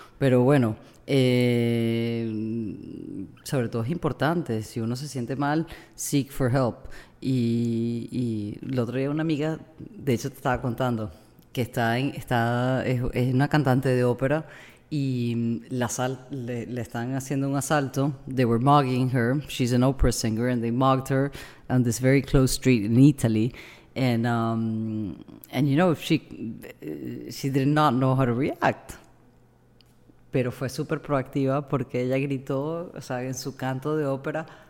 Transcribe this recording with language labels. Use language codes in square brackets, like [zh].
[es] Pero bueno, sobre todo es importante, si uno se siente mal, [en] seek for help. [es] Y el otro día una amiga, de hecho te estaba contando, que es una cantante de ópera. Y le están haciendo un asalto. [en] They were mugging her. She's an opera singer and they mugged her on this very close street in Italy. And you know, she did not know how to react. [es] Pero fue súper proactiva porque ella gritó, o sea, en su canto de ópera.